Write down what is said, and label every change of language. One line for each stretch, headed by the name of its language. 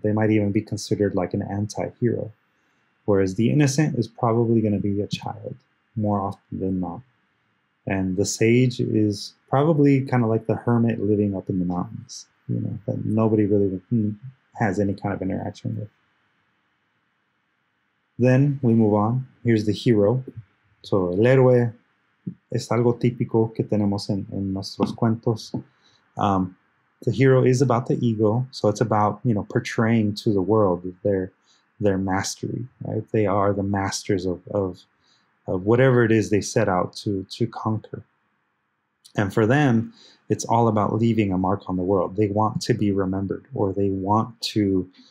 English: They might even be considered like an anti-hero. Whereas the innocent is probably going to be a child more often than not. And the sage is probably kind of like the hermit living up in the mountains, you know, that nobody really has any kind of interaction with. Then we move on. Here's the hero.
Spanish: So el héroe es algo típico que tenemos en nuestros cuentos.
English: The hero is about the ego. So it's about, you know, portraying to the world their mastery, right? They are the masters of whatever it is they set out to conquer. And for them, it's all about leaving a mark on the world. They want to be remembered, or they want to